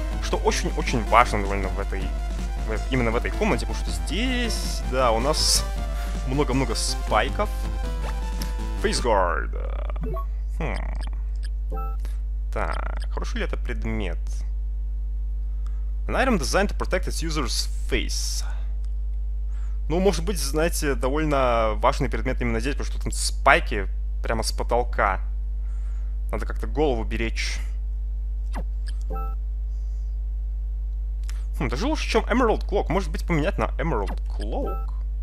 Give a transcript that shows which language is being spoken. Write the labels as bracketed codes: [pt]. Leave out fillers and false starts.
[ru] Что очень-очень важно довольно именно в этой комнате, потому что здесь, да, у нас много-много спайков. Face guard. Так, хороший ли это предмет? [en] An item designed to protect its user's face. [ru] Ну, может быть, знаете, довольно важный предмет именно здесь, потому что там спайки прямо с потолка. Надо как-то голову беречь. Даже лучше, чем Emerald Cloak. Может быть, поменять на Emerald Cloak?